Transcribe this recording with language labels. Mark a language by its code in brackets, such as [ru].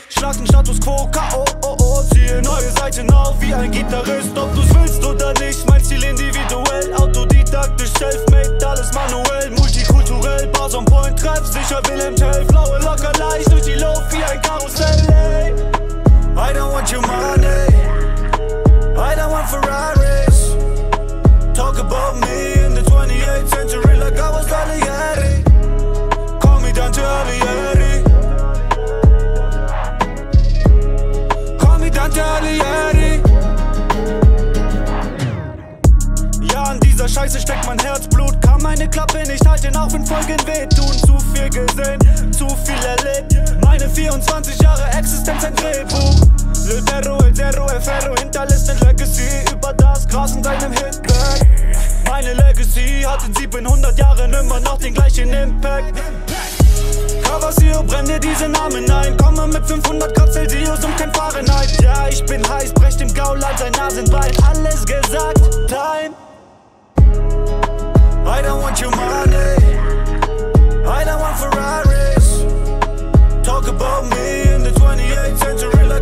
[de] Schlag den Status quo, K.O., oh, oh. Ziehe neue Seiten auf wie ein Gitarrist. Ob du's willst oder nicht, mein Ziel individuell. Autodidaktisch, self-made, alles manuell. Multikulturell, Bars on point, treff sicher Wilhelm Tell. Flaue locker leicht durch die Luft wie ein Karussell. [en] Ey. I don't want your money, I don't want Ferraris. Talk about me in the 28th century like I was Alighieri. Call me Dante Alighieri. Call me Dante Alighieri. [de] Ja, an dieser Scheiße steckt mein Herzblut. Kann meine Klappe nicht halten, auch wenn Folgen wehtun. Zu viel gesehen, zu viel erlebt. Meine 24 Jahre Existenz ein Drehbuch. Lil Perro, El Dero, El Ferro, hinterlässt ein Legacy über das Gras in seinem Hitback. Meine Legacy hat in 700 Jahren immer noch den gleichen Impact. Cavazio, brenn dir diese Namen ein. Komme mit 500 Grad Celsius und kein Fahrenheit. Ja, ich bin heiß, brech dem Gaul an sein Nasenbein. Alles gesagt, dein. [en] I don't want your money, I don't want Ferraris. Talk about me in the 28th century.